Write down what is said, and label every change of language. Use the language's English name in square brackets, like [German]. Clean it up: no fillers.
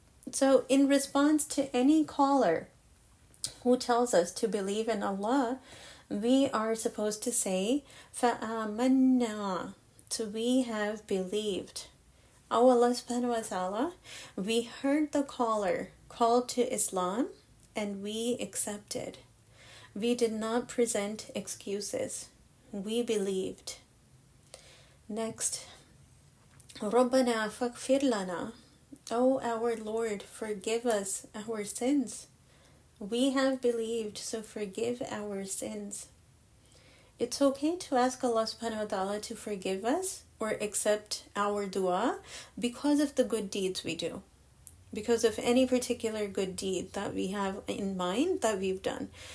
[English] So in response to any caller who tells us to believe in Allah, we are supposed to say, [Arabic] فَآمَنَّا. [English] So we have believed. O Allah subhanahu wa ta'ala, we heard the caller call to Islam and we accepted. We did not present excuses. We believed. [Arabic] Next, رَبَّنَا فَاغْفِرْ لَنَا. [English] O our Lord, forgive us our sins. We have believed, so forgive our sins. It's okay to ask Allah subhanahu wa ta'ala to forgive us or accept our dua because of the good deeds we do, because of any particular good deed that we have in mind that we've done.